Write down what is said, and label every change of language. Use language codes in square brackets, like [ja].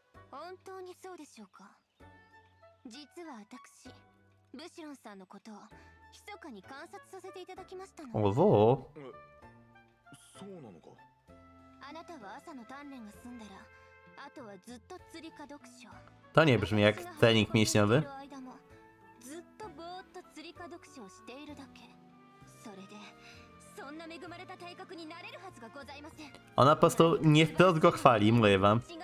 [ja] 本当にそうでしょうか。実は私、ブシロンさんのことを密かに観察させていただきましたの。おぞ。そうなのか。あなたは朝の鍛錬が済んだら、あとはずっと釣りか読書。 [pl] To nie brzmi jak trening mięśniowy. [ja] ずっとぼーっと釣りか読書をしているだけ。それで、そんな恵まれた体格になれるはずがございません。 [pl] Ona po prostu nie wprost go chwali, mówię wam.